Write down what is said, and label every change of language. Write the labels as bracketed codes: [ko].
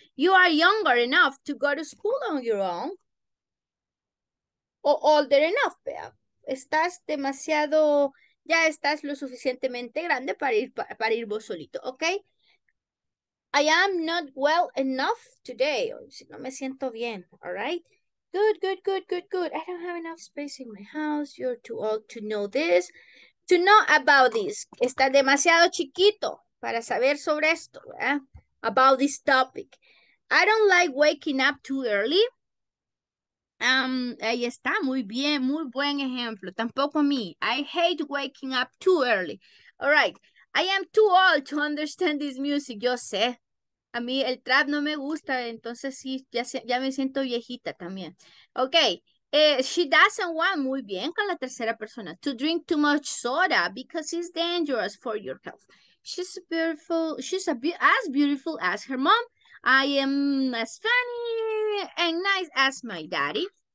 [en] You are younger enough to go to school on your own. Or older enough, Bea. [es] Estás demasiado, ya estás lo suficientemente grande para ir vos solito, ¿ok? [en] I am not well enough today. [es] No me siento bien, [en] all right? Good, good, good, good, good. I don't have enough space in my house. You're too old to know this. To know about this. [es] Estás demasiado chiquito para saber sobre esto, ¿eh? [en] About this topic. I don't like waking up too early. [es] Ahí está, muy bien, muy buen ejemplo. Tampoco me. [en] I hate waking up too early. All right. I am too old to understand this music. [es] Yo sé. A mí el trap no me gusta, entonces sí, ya me siento viejita también. [en] Okay. She doesn't want, [es] muy bien con la tercera persona, [en] to drink too much soda because it's dangerous for your health. She's beautiful. She's as beautiful as her mom. I am as funny and nice as my daddy.